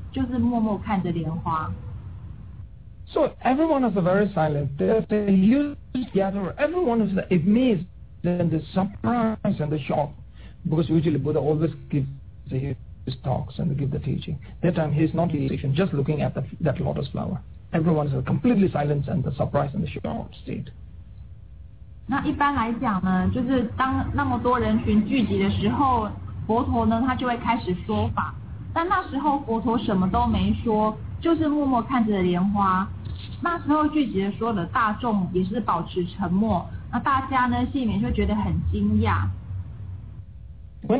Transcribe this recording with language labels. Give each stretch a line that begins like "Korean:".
Chinese: 那即使有很多的出家众或是很多人聚集在他的身边要听他说法，但是佛陀什么话都没有说，就是默默看着莲花。
English: So everyone is very silent. The huge gatherer, everyone is amazed and the surprise and the shock, because usually Buddha always gives his talks and give the teaching. That time he is not teaching, just looking at that lotus flower. Everyone is completely silent and the surprise and the shocked state.
Chinese: 那一般来讲呢，就是当那么多人群聚集的时候，佛陀呢他就会开始说法。但那时候佛陀什么都没说，就是默默看着莲花。那时候聚集的所有的大众也是保持沉默，那大家呢心里面就觉得很惊讶。
English: When